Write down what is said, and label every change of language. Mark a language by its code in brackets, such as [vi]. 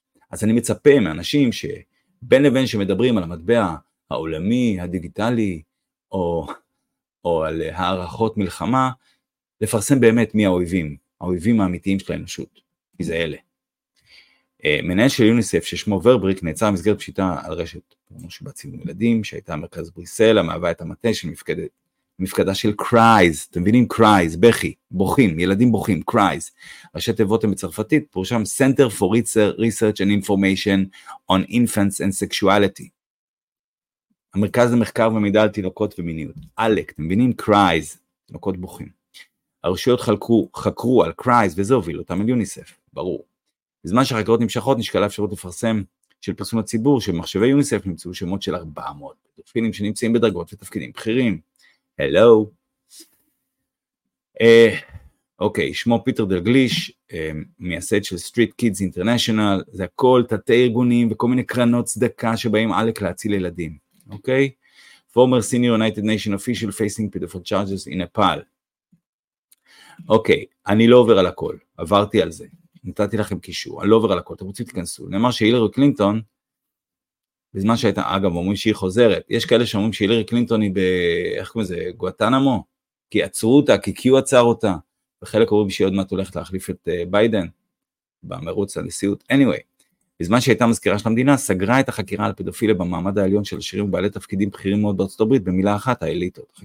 [he] אז אני מצפה מאנשים שבין לבין שמדברים על המטבע העולמי, הדיגיטלי, או על הערכות מלחמה, לפרסם באמת מי האויבים האמיתיים של האנושות, כי זה אלה. מנהל של יוניסף ששמו ורבריק נעצר מסגרת פשיטה על רשת פורנו שבצים ומילדים, שהייתה מרכז בריסל, המהווה את המטה של מפקדה של קרייז, אתם מבינים? קרייז, בכי, בוכים, ילדים בוכים, קרייז. ראשי תיבות הם בצרפתית, פורשם [en] Center for Research and Information on Infants and Sexuality. [he] המרכז למחקר ומידע על תינוקות ומיניות. אלק, אתם מבינים? קרייז, תינוקות בוכים. הרשויות חקרו על קרייז, וזה הוביל אותם על יוניסף, ברור. בזמן שהחקרות נמשכות, נשקלה אפשרות לפרסם של פרסום הציבור, שמחשבי יוניסף נמצאו שמות של 400 פדופילים שנמצאים בדרגות ותפקידים בכירים. הלו. אוקיי, שמו פיטר דלגליש, מייסד של Street Kids International, זה הכל תתי ארגונים וכל מיני קרנות צדקה שבאים אלק להציל ילדים. אוקיי? [en] Former Senior United Nations Official Facing Pedophile Charges in Nepal. [he] אוקיי, אני לא עובר על הכל, עברתי על זה, נתתי לכם קישור, אני לא עובר על הכל, אתם רוצים להתכנסו, נאמר שהילרי קלינטון, בזמן שהייתה, אגב, אומרים שהיא חוזרת, יש כאלה שאומרים שהילרי קלינטון היא איך קוראים לזה, גואטנמו, כי עצרו אותה, כי קיו עצר אותה, וחלק אומרים שהיא עוד מעט הולכת להחליף את ביידן, במרוץ הנשיאות, [en] anyway, [he] בזמן שהייתה מזכירה של המדינה, סגרה את החקירה על פדופיליה במעמד העליון של השירים ובעלי תפקידים בכירים מאוד בארצות הברית, במילה אחת, האליטות.